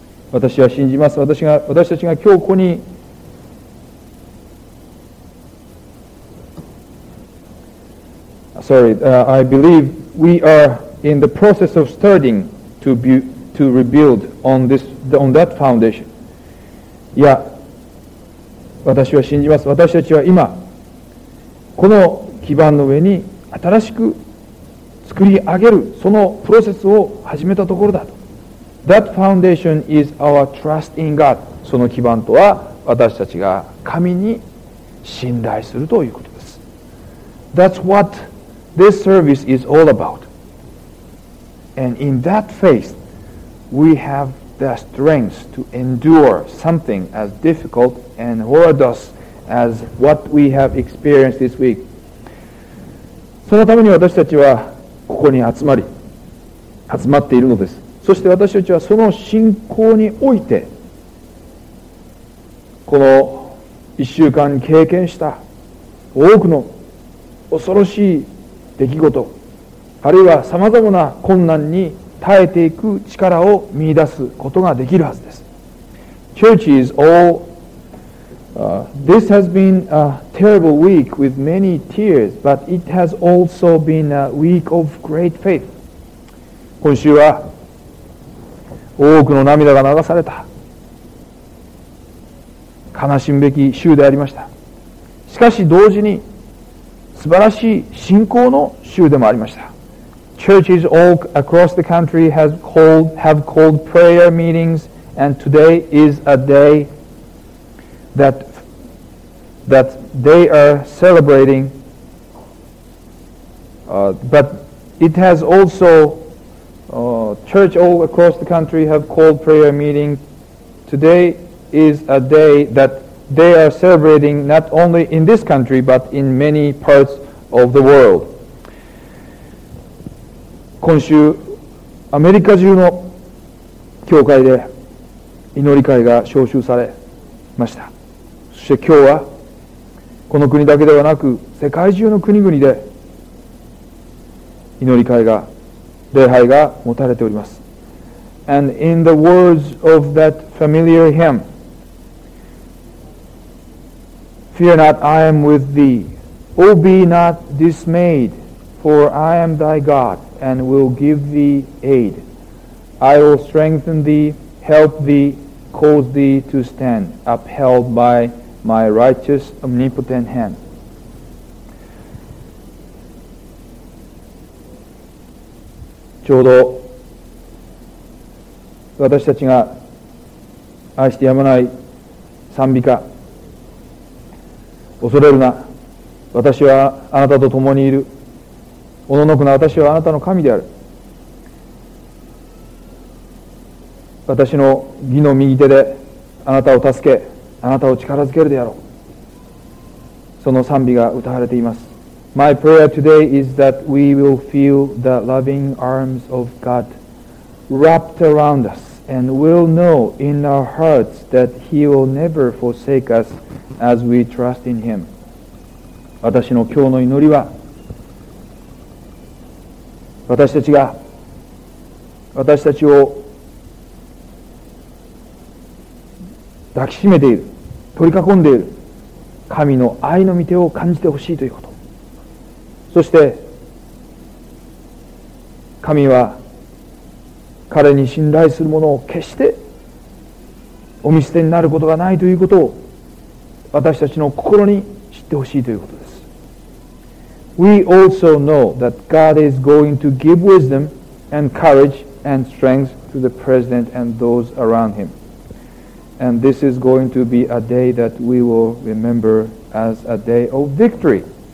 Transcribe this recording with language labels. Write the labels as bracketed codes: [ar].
[ja] 私は信じます。私たちが今日ここに [en] I believe we are in the process of starting to rebuild on this on that foundation. [ja] いや、私は信じます。私たちは今この基盤の上に新しく作り上げる、そのプロセスを始めたところだと。 [en] That foundation is our trust in God. [ja] その基盤とは私たちが神に信頼するということです。 [en] That's what this service is all about. And in that faith, we have the strength to endure something as difficult and horrendous as what we have experienced this week. [ja] そのために私たちはここに集まっているのです。そして私たちはその信仰において、この一週間経験した多くの恐ろしい出来事、あるいはさまざまな困難に耐えていく力を見出すことができるはずです。 [en] Church is all This has been a terrible week with many tears, but it has also been a week of great faith. [ja] 今週は多くの涙が流された悲しむべき週でありました。しかし同時に素晴らしい信仰の週でもありました。 [en] Churches all across the country have called prayer meetings, and today is a day that they are celebrating, but it has also, church all across the country have called prayer meeting. Today is a day that they are celebrating not only in this country, but in many parts of the world. [ja] 今週、アメリカ中の教会で祈り会が招集されました。そして今日は、この国だけではなく世界中の国々で祈り会が、礼拝が持たれております。 [en] And in the words of that familiar hymn, Fear not, I am with thee. O be not dismayed, for I am thy God, and will give thee aid. I will strengthen thee, help thee, cause thee to stand upheld by My righteous, omnipotent hand. [ja] ちょうど私たちが愛してやまない賛美歌、恐れるな、私はあなたと共にいる、おののくな、私はあなたの神である、私の義の右手であなたを助け、あなたを力づけるであろう、その賛美が歌われています。 [en] My prayer today is that we will feel the loving arms of God wrapped around us and will know in our hearts that He will never forsake us as we trust in Him。 [ja] 私の今日の祈りは、私たちが私たちを抱きしめている、取り囲んでいる神の愛の御手を感じてほしいということ、そして神は彼に信頼する者を決してお見捨てになることがないということを私たちの心に知ってほしいということです。 [en] We also know that God is going to give wisdom and courage and strength to the president and those around him. And this is going to be a day that we will remember as a day of victory.